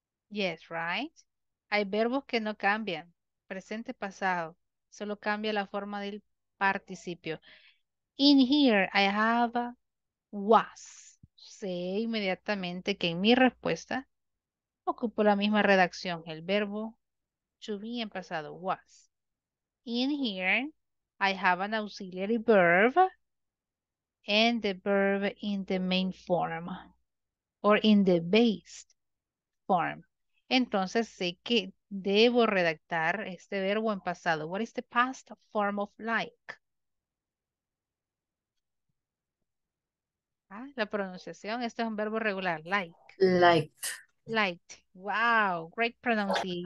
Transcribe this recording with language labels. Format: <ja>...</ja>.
<en>Yes, right.</en> <es>Hay verbos que no cambian. Presente, pasado. Solo cambia la forma del participio.</es> <en>In here, I have a was.</en> <es>Sé inmediatamente que en mi respuesta ocupo la misma redacción. El verbo to be en pasado, was.</es> <en>In here, I have an auxiliary verb and the verb in the main form or in the base form.</en> <es>Entonces, sé que debo redactar este verbo en pasado.</es> <en>What is the past form of like?</en> <es>¿Ah? La pronunciación, este es un verbo regular, like.</es> <en>Liked. Liked. Wow, great pronunciation.</en>